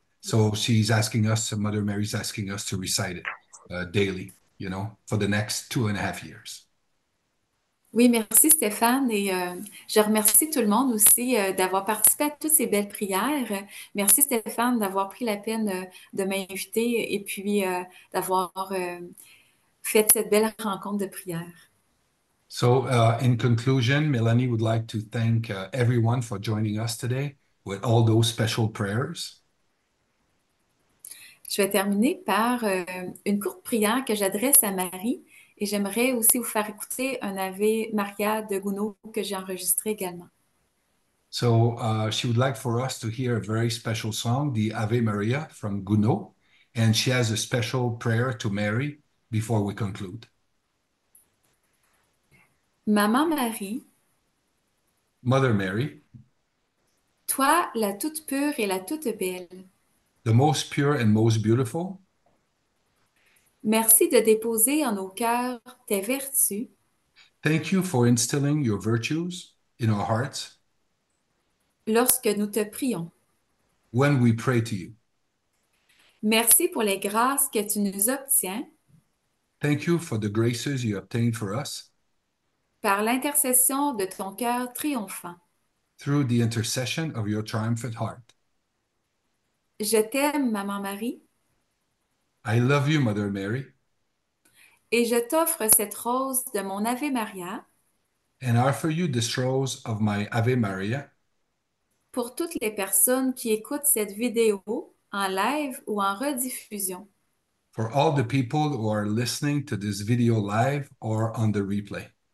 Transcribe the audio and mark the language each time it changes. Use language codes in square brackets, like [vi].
[en] So she's asking us, Mother Mary's asking us to recite it daily, you know, for the next 2.5 years. [fr] Oui, merci Stéphane et je remercie tout le monde aussi d'avoir participé à toutes ces belles prières. Merci Stéphane d'avoir pris la peine de m'inviter et puis d'avoir fait cette belle rencontre de prière. [en] So, in conclusion, Melanie would like to thank everyone for joining us today with all those special prayers. [fr] Je vais terminer par une courte prière que j'adresse à Marie. Et j'aimerais aussi vous faire écouter un Ave Maria de Gounod que j'ai enregistré également. [en] So, she would like for us to hear a very special song, the Ave Maria from Gounod. And she has a special prayer to Mary before we conclude. [fr] Maman Marie. [en] Mother Mary. [fr] Toi, la toute pure et la toute belle. [en] The most pure and most beautiful. [fr] Merci de déposer en nos cœurs tes vertus. [en] Thank you for instilling your virtues in our hearts. [fr] Lorsque nous te prions. [en] When we pray to you. [fr] Merci pour les grâces que tu nous obtiens. [en] Thank you for the graces you obtain for us. [fr] Par l'intercession de ton cœur triomphant. [en] Through the intercession of your triumphant heart. [fr] Je t'aime, Maman Marie. [en] I love you, Mother Mary. [fr] Et je t'offre cette rose de mon Ave Maria. [en] And I offer you this rose of my Ave Maria. [fr] Pour toutes les personnes qui écoutent cette vidéo en live ou en rediffusion. [en] For all the people who are listening to this video live or on the replay.